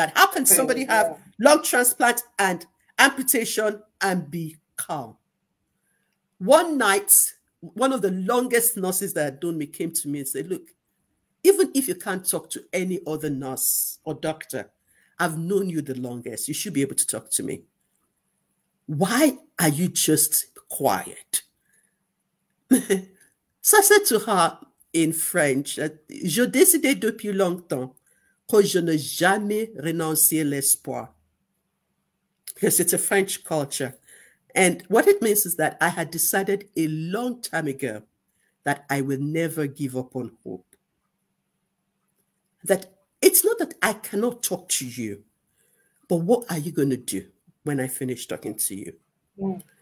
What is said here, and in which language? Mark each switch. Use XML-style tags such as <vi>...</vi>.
<en>That how can somebody have lung transplant and amputation and be calm? One night, one of the longest nurses that had known me came to me and said, look, even if you can't talk to any other nurse or doctor, I've known you the longest. You should be able to talk to me. Why are you just quiet? So I said to her in French,</en> <fr>je décidé depuis longtemps que je ne jamais renoncé l'espoir.</fr> <en>Because it's a French culture. And what it means is that I had decided a long time ago that I will never give up on hope. That it's not that I cannot talk to you, but what are you going to do when I finish talking to you?</en>